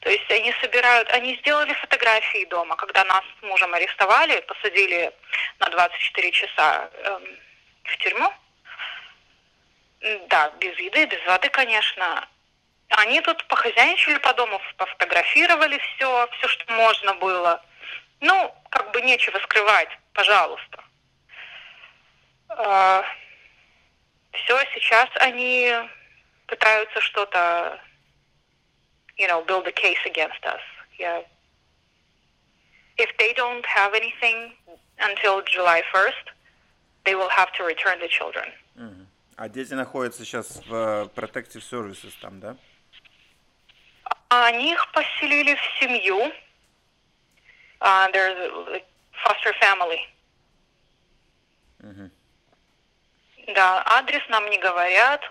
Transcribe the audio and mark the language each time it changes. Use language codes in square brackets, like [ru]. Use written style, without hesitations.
[ru] То есть они собирают, они сделали фотографии дома, когда нас с мужем арестовали, посадили на 24 часа в тюрьму. Да, без еды, без воды, конечно. Они тут похозяйничали по дому, пофотографировали все, все, что можно было. Ну, как бы нечего скрывать, пожалуйста. Все, сейчас они пытаются что-то, [en] you know, build a case against us. Yeah. If they don't have anything until July 1st, they will have to return the children. [ru] А дети находятся сейчас в Protective Services там, да? Они их поселили в семью. [en] They're foster family. [ru] Да, адрес нам не говорят.